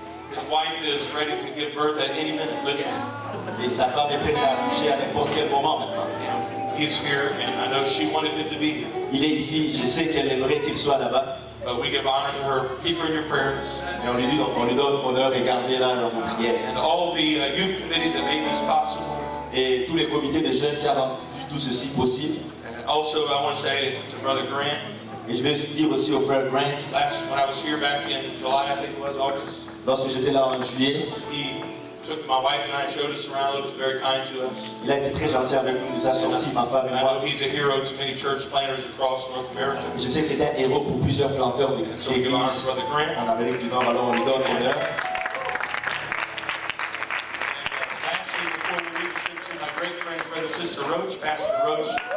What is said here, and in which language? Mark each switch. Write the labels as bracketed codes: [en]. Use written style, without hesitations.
[en] His wife is ready to give birth at any minute, literally. [fr] Et sa femme est prête à accoucher à n'importe quel moment maintenant. [en] He's here, and I know she wanted him to be here. [fr] Il est ici, je sais qu'elle aimerait qu'il soit là-bas. [en] But we give honor to her. Keep her in your prayers. [fr] Et on lui dit, on lui donne honneur et gardez-la dans vos prières. [en] And all the youth committee that made this possible. [fr] Et tous les comités de jeunes qui ont vu tout ceci possible. [en] And also, I want to say to Brother Grant. [fr] Et je vais aussi dire aussi au frère Grant. [en] Last, when I was here back in July, I think it was August. [fr] Lorsque j'étais là en juillet. [en] He took my wife and I, showed us around, looked very kind to us. [fr] Il a été très gentil avec nous, nous a sorti, ma femme et moi. [en] I know he's a hero to many church planters across North America. [fr] Je sais que c'est un héros pour plusieurs planteurs d'églises. [en] So we give honor to Brother Grant. [fr] En Amérique du Nord, alors on lui donne honneur. [en] Last year, before we leave, should see my great friend, Brother Sister Roach, Pastor Roach.